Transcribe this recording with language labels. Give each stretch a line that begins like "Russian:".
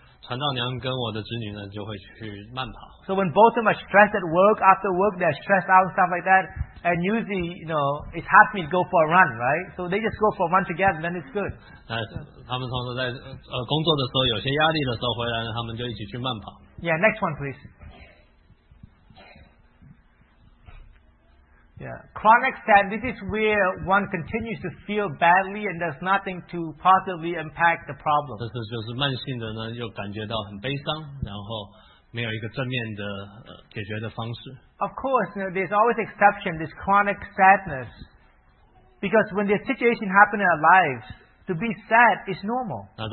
Chinese: 那感谢神，那我的子女来以后呢，我的传道娘跟我的子女呢就会去慢跑。
English: So when both of them are stressed at work, after work, they're stressed out and stuff like that. And usually, you know, it's hard for me to go for a run, right? So they just go for a run together, then it's good.
Chinese: 他们同时在工作的时候，有些压力的时候回来，他们就一起去慢跑。
English: Yeah, next one, please. Yeah, chronic sadness. This is where one continues to feel badly and does nothing to positively impact the problem.
Chinese: 这是就是慢性的呢，又感觉到很悲伤，然后。没有一个正面的解决的方式。
English: Of course, you know, there's always exception, this chronic sadness. Because when the situation happens in our lives, to be sad is normal.